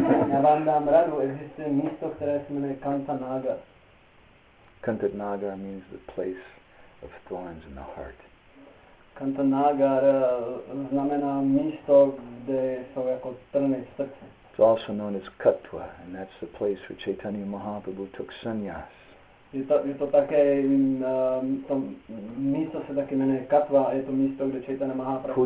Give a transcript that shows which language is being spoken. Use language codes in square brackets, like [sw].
[cs] Já vám dám radu, existuje místo, které se jmenuje Kantanagar. [en] Kantanagar means the place of thorns in the heart. [cs] Kantanagar znamená místo, kde jsou jako trny v srdce. [en] It's also known as Katva, and that's the place where Chaitanya Mahaprabhu took sannyas. [cs] Je to také to místo se taky jmenuje Katva, a je to místo, kde Chaitanya Mahaprabhu